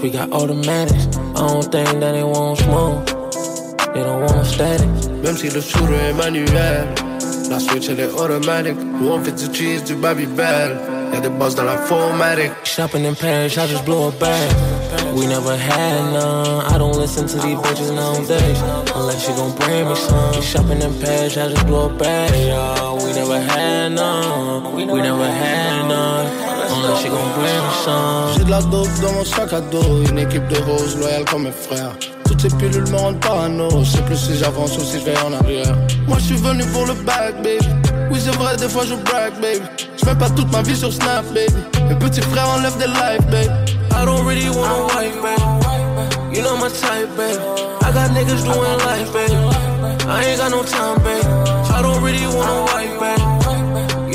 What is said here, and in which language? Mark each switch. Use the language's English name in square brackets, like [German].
[English] We got automatics, I don't think that they want smoke. They don't want static. [French] Même si le shooter est manuel, la switch elle est automatic. Nous on fait du cheese, du baby bell. Y'a des boss dans la formatic. [English] Shopping in Paris, I just blew a bag. We never had none. I don't listen to these bitches nowadays. Unless you gon' bring me some. Shopping in Paris, I just blew a bag. We never had none. We never had none. Unless you gon' bring me some. [French] J'ai de la dope dans mon sac à dos. Une équipe de rose loyale comme mes frères. Toutes ces pilules me rendent parano. C'est plus si j'avance ou si je vais en arrière. Moi je suis venu pour le bag, baby. Oui c'est vrai, des fois je brag, baby. Je fais pas toute ma vie sur Snap, baby. Mes petits frères enlèvent des lives, baby. [English] I don't really want a wife, baby. You know my type, baby. I got niggas doing life, baby. I ain't got no time, baby. I don't really want a wife, baby.